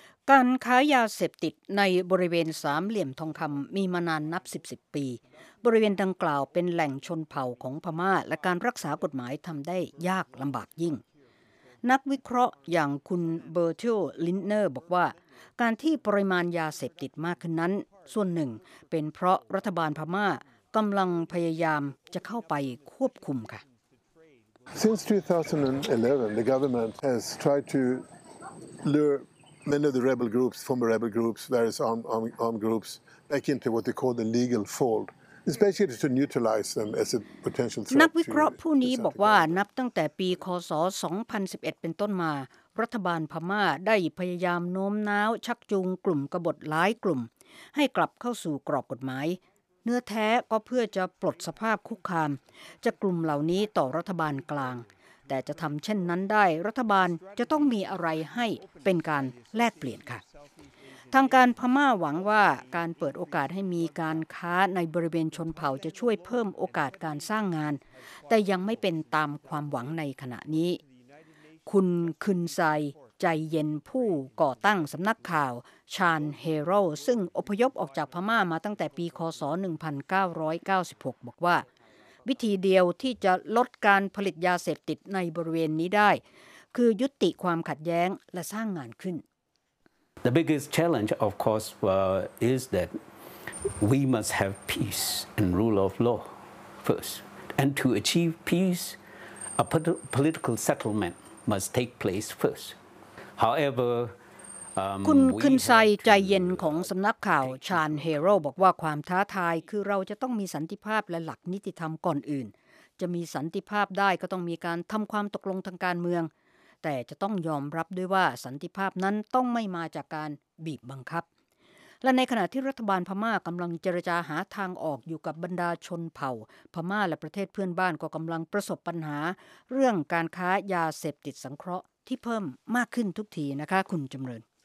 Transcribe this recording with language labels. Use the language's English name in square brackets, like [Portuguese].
[Thai] การค้ายาเสพติดในบริเวณสามเหลี่ยมทองคำมีมานานนับ10ปีบริเวณดังกล่าวเป็นแหล่งชนเผ่าของพม่าและการรักษากฎหมายทำได้ยากลำบากยิ่งนักวิเคราะห์อย่างคุณเบอร์ทิลลินเนอร์บอกว่าการที่ปริมาณยาเสพติดมากขึ้นนั้นส่วนหนึ่งเป็นเพราะรัฐบาลพม่ากำลังพยายามจะเข้าไปควบคุมค่ะ [English] Since 2011 the government has tried to lureMany of the rebel groups, former rebel groups, various armed groups, back into what they call the legal fold, especially to neutralize them as a potential threat. [Thai] นักวิเคราะห์ผู้นี้บอกว่านับตั้งแต่ปีค.ศ.2011เป็นต้นมารัฐบาลพม่าได้พยายามโน้มน้าวชักจูงกลุ่มกบฏหลายกลุ่มให้กลับเข้าสู่กรอบกฎหมายเนื้อแท้ก็เพื่อจะปลดสภาพคุกคามจากกลุ่มเหล่านี้ต่อรัฐบาลกลางแต่จะทำเช่นนั้นได้รัฐบาลจะต้องมีอะไรให้เป็นการแลกเปลี่ยนค่ะ ทางการพม่าหวังว่าการเปิดโอกาสให้มีการค้าในบริเวณชนเผ่าจะช่วยเพิ่มโอกาสการสร้างงานแต่ยังไม่เป็นตามความหวังในขณะนี้ คุณคุนไซใจเย็นผู้ก่อตั้งสำนักข่าวชานเฮโร่ซึ่งอพยพออกจากพม่ามาตั้งแต่ปีค.ศ.1996บอกว่าวิธีเดียวที่จะลดการผลิตยาเสพติดในบริเวณนี้ได้คือยุติความขัดแย้งและสร้างงานขึ้น [English] The biggest challenge of course is that we must have peace and rule of law first and to achieve peace a political settlement must take place first however [Thai] คุณคุนไซใจเย็นของสำนักข่าวชานเฮโร่บอกว่าความท้าทายคือเราจะต้องมีสันติภาพและหลักนิติธรรมก่อนอื่นจะมีสันติภาพได้ก็ต้องมีการทำความตกลงทางการเมืองแต่จะต้องยอมรับด้วยว่าสันติภาพนั้นต้องไม่มาจากการบีบบังคับและในขณะที่รัฐบาลพม่ากำลังเจรจาหาทางออกอยู่กับบรรดาชนเผ่าพม่าและประเทศเพื่อนบ้านก็กำลังประสบปัญหาเรื่องการค้ายาเสพติดสังเคราะห์ที่เพิ่มมากขึ้นทุกทีนะคะคุณจำเริญ